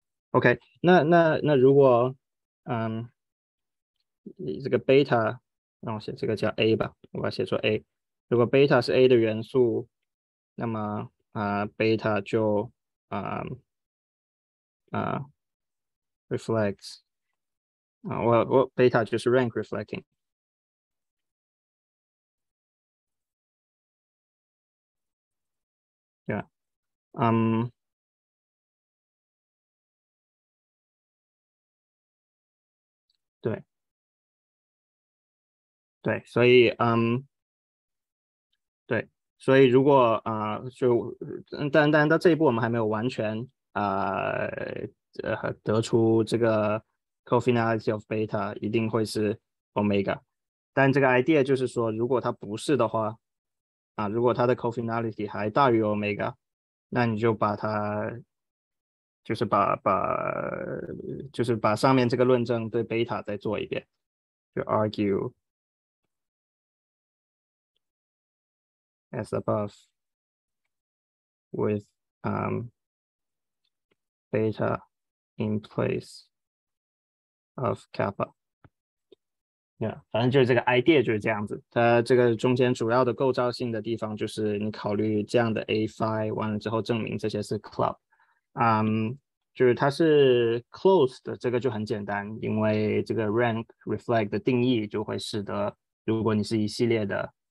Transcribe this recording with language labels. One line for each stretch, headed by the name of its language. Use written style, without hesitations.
Chinese: OK， 那如果这个 beta， 让我写这个叫 a 吧，我把它写作 a。如果 beta 是 a 的元素，那么beta 就reflects 我 beta 就是 rank reflecting。对，所以对，所以如果就但到这一步我们还没有完全得出这个 cofinality of beta 一定会是 omega， 但这个 idea 就是说，如果它不是的话如果它的 cofinality 还大于 omega， 那你就把它就是把上面这个论证对 beta 再做一遍，就 argue。
English: As above, with beta in place of kappa.
Chinese: Yeah, 反正就是这个 idea 就是这样子。它这个中间主要的构造性的地方就是你考虑这样的 a phi 完了之后证明这些是 club。就是它是 closed 的，这个就很简单，因为这个 rank reflect 的定义就会使得，如果你是一系列的。